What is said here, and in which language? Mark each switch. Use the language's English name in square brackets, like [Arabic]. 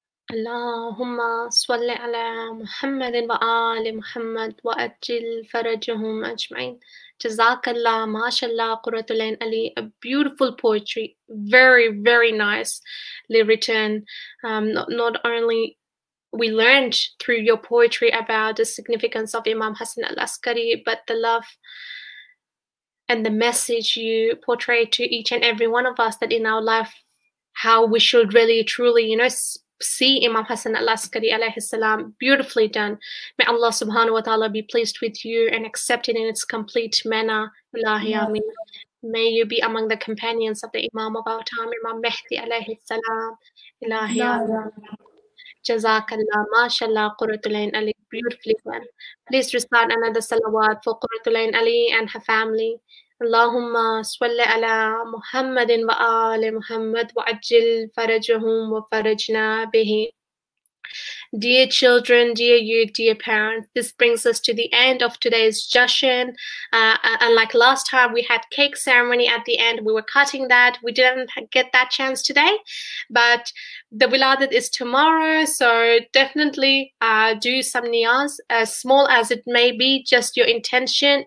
[Arabic] اللهم صل على محمد وآل محمد وأجل فرجهم أجمعين. جزاك الله ما شاء الله قرة العين علي. [English] A beautiful poetry, very very nicely written. Not only we learned through your poetry about the significance of Imam Hassan al-Askari, but the love and the message you portray to each and every one of us that in our life, how we should really truly, you know, see Imam Hassan al-Askari alayhi salam. Beautifully done. May Allah subhanahu wa ta'ala be pleased with you and accept it in its complete manner. Allahi ameen. May you be among the companions of the Imam of our time, Imam Mehdi alayhi salam. Allahi ameen. Jazakallah. MashaAllah. Qurratul Ain Ali. Beautifully done. Please recite another salawat for Qurratul Ain Ali and her family. [Arabic] اللهم صل على محمد وآل محمد وعجل فرجهم وفرجنا به. [English] Dear children, dear youth, dear parents, this brings us to the end of today's jashan. Unlike last time, we had cake ceremony at the end. We were cutting that. We didn't get that chance today, but the wiladat is tomorrow. So definitely do some niyaz, as small as it may be, just your intention.